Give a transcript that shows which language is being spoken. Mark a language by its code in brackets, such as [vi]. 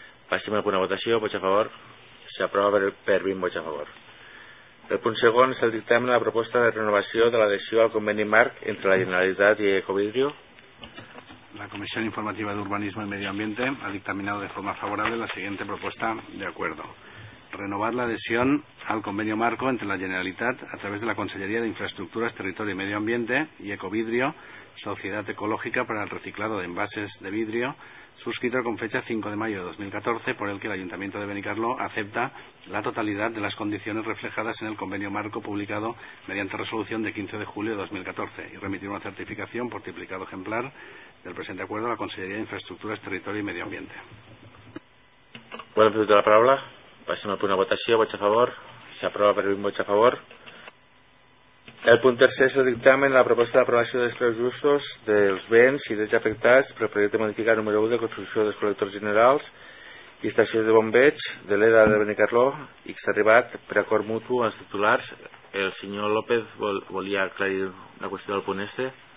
[ca] Passem a una votació, vots a favor. S'aprova per 20 vots a favor. El punt segon és el dictamen de la proposta de renovació de l'adhesió al conveni marc entre la Generalitat i Ecovidrio. La Comissió Informativa d'Urbanisme i Medi Ambient ha dictaminat de forma favorable la següent proposta d'acuerdo. Renovar l'adhesió al conveni marco entre la Generalitat a través de la Conselleria d'Infraestructures, Territori i Medi Ambient [es] i Ecovidrio, Societat Ecològica per al Reciclado de Envases de Vidrio, suscrito con fecha 5 de mayo de 2014, por el que el Ayuntamiento de Benicarlo acepta la totalidad de las condiciones reflejadas en el convenio marco publicado mediante resolución de 15 de julio de 2014 y remitir una certificación por triplicado ejemplar del presente acuerdo a la Consellería de Infraestructuras, Territorio y Medio Ambiente. Bueno, pido la palabra. Pasemos por una votación. Voto a favor. Se aprueba por el mismo voto a favor. [ca] El punt tercer és el dictamen de la proposta d'aprovació dels preus justos dels béns i drets afectats pel projecte modificat número 1 de construcció dels col·lectors generals i estacions de bombeig de l'EDA de Benicarló i que s'ha arribat per acord mutu als titulars. El senyor López volia aclarir la qüestió del punt este.